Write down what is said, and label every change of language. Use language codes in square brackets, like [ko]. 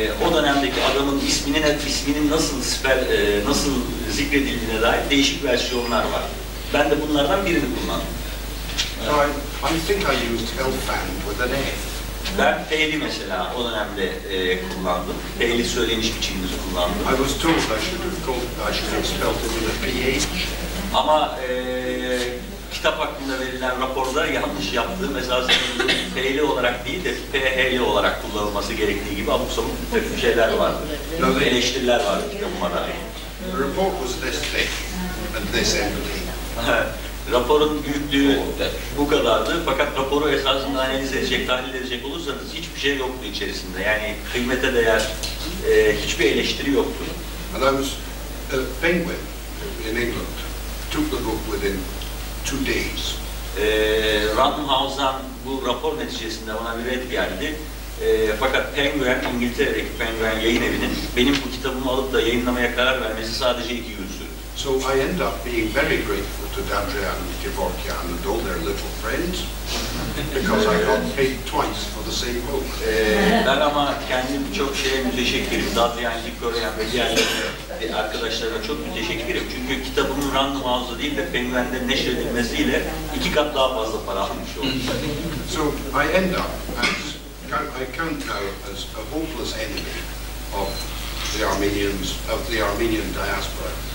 [tr] O dönemdeki adamın isminin nasıl nasıl zikredildiğine dair değişik versiyonlar var. Ben de bunlardan birini kullandım. [en] So I think I used Helfand with an F. [tr] Ben F'li mesela o dönemde kullandım. F'li söyleniş biçimimizi kullandım. [en] I was told I should have spelled it with a PH. [tr] Ama kitap hakkında verilen raporda yanlış yaptığım esasında PL olarak değil de PHL olarak kullanılması gerektiği gibi abuk sabuk bir takım şeyler vardır. Yani eleştiriler vardır kitabıma dair. [en] The report was this big and this empty. [tr] Raporun büyüklüğü bu kadardı. Fakat raporu esasında analiz edecek, tahlil edecek olursanız hiçbir şey yoktu içerisinde. Yani kıymete değer, hiçbir eleştiri yoktu. [en] And I was a penguin in England. Took the book within 2 days. [tr] Random House'dan bu rapor neticesinde bana bir red geldi. Fakat Penguin, İngiltere'deki Penguin yayın evinin benim bu kitabımı alıp da yayınlamaya karar vermesi sadece 2 gün sürdü. [en] So I end up being very grateful to Dandrian and Kevorkian and all their little friends because I got paid twice for the same book. [tr] Ben ama kendim çok şeye müteşekkirim. Dandrian, Kevorkian ve diğer arkadaşlara çok müteşekkirim. Çünkü kitabımın Random House'da değil de Penguin'de neşredilmesiyle 2 kat daha fazla para almış oldum. [en] So I end up as, I count now as a hopeless enemy of the Armenians, of the Armenian diaspora.